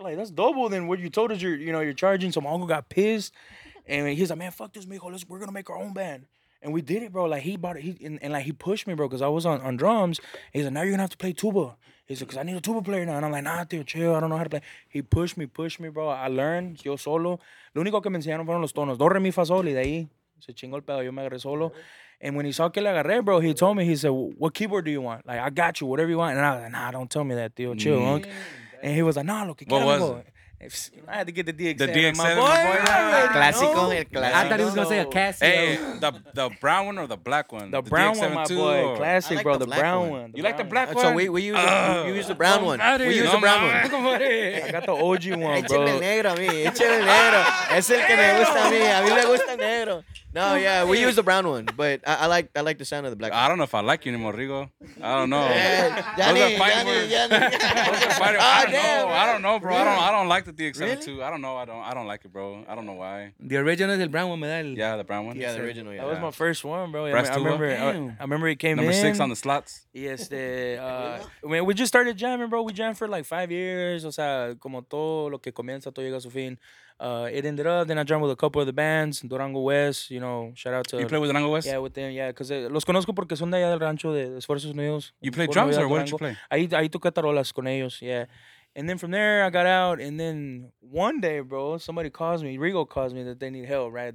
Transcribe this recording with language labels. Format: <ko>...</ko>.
<en>Like, that's double than what you told us you're charging. So my uncle got pissed, and he's like, man, fuck this, mijo, we're gonna make our own band. And we did it, bro. Like, he bought it, he pushed me, bro, because I was on drums. He's like, now you're gonna have to play tuba. He said, because I need a tuba player now. And I'm like, nah, tío, chill. I don't know how to play. He pushed me, bro. I learned,</en> <es>yo solo. Lo único que me enseñaron fueron los tonos. Do, re, mi, fa, sol. Y de ahí, se chingó el pedo. Yo me agarré solo.</es> <en>And when he saw</en> <es>que le agarré,</es> <en>bro, he told me, he said, what keyboard do you want? Like, I got you, whatever you want. And I was like, nah, don't tell me that, tío. Chill, mm-hmm. Unk. And he was like, nah,</en> <es>lo que quiera,</es> <en>bro. I had to get the DX7. The DX7. My boy. Classico. I thought he was going to say a Casio. Hey, the brown one or the black one? The brown DX7 one, my too, boy. Classic, like, bro. The brown one. You like the black one? So we use the brown one. We use the brown one. I got the OG one, bro.</en> <es>Echele negro a mí. Echele negro. Es el que me gusta a mí. A mí me gusta negro.</es> <en>No, yeah, we use the brown one, but I like the sound of the black one. I don't know if I like you anymore, Rigo. I don't know. Johnny, I don't know, bro. I don't like the DX7 really? Too. I don't know. I don't like it, bro. I don't know why. The original is the brown one, medal. Yeah, the brown one. Yeah, the original. Yeah. That was my first one, bro. Press I remember it came number in. Number 6 on the slots. Yes, we just started jamming, bro. We jammed for like 5 years.</en> <es>O sea, como todo lo que comienza, todo llega a su fin.</es> <en>It ended up, then I joined with a couple of the bands, Durango West, you know, shout out to... You play with Durango West? Yeah, with them, yeah, because</en> <es>los conozco porque son de allá del rancho de Esfuerzos Unidos.</es> <en>You play drums or what did you play?</en> <es>Ahí toqué tarolas con ellos, yeah.</es> <en>And then from there, I got out, and then one day, bro, somebody calls me, Rigo calls me that they need help, right?</en>